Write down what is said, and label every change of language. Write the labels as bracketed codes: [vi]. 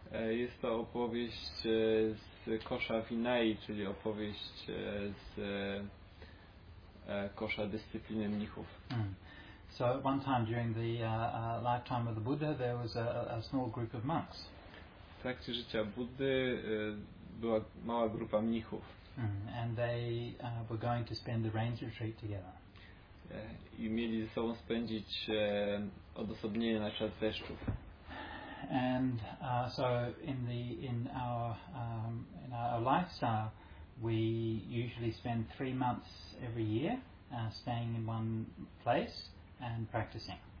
[pl] Jest to opowieść z kosza Vinayi, czyli opowieść z kosza dyscypliny mnichów. Mm. [en] So at one time during the lifetime of the Buddha, there was a small group of monks. [pl] W trakcie życia Buddy była mała grupa mnichów. Mm. [en] And they were going to spend the rains retreat together. [pl] I mieli ze sobą spędzić odosobnienie na czas deszczów. [en] And so in our lifestyle, we usually spend 3 months every year staying in one place and practicing.